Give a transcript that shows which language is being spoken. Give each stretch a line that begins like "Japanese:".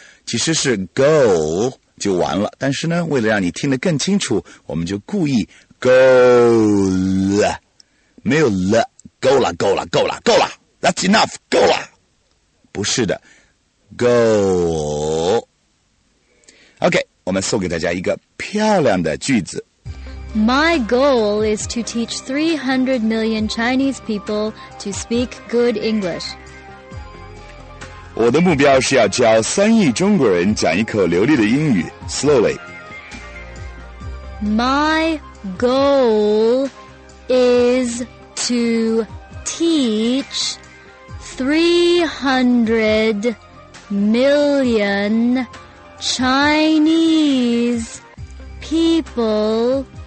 Chinese: 其实是 go 就完了，但是呢，为了让你听得更清楚，我们就故意 go 了，没有了够了，够了，够了，够了 ，
English: That's enough，
Chinese: 够了。不是的 ，Go。 OK， 我们送给大家一个漂亮的句子。
English: My goal is to teach 300 million Chinese people to speak good English.
Chinese: 我的目标是要教3亿中国人讲一口流利的英语
English: slowly. My goal is to teach 300 million Chinese people.